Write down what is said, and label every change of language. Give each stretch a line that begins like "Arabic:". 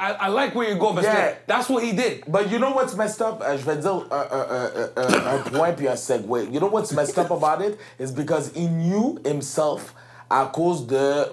English: I like where you go,
French: parce que
English: that's what he did. But you know what's messed up?
French: Je vais dire un point puis un segue.
English: You know what's messed up about it? It's because he knew himself
French: à cause de...